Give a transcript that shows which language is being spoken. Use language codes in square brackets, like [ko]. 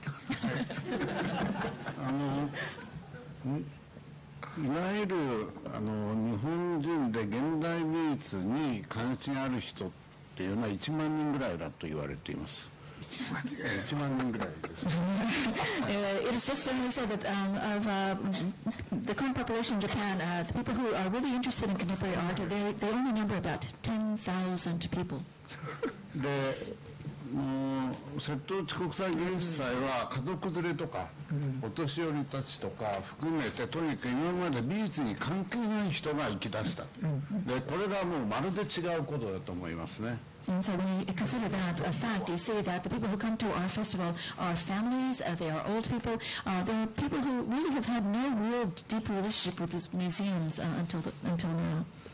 [ja] いわゆる日本人で現代美術に関心ある人ってというのは1万人ぐらいだと言われています。 [en] It is just generally said that of the current population in Japan, the people who are really interested in contemporary art, they only number about 10,000 people. [ja] で、もう瀬戸内国際芸術祭は家族連れとかお年寄りたちとか含めてとにかく今まで美術に関係ない人が行き出した。で、これがもうまるで違うことだと思いますね。 [en] And so when you consider that a fact, you see that the people who come to our festival are families, they are old people, they are people who really have had no real deep relationship with these museums until now.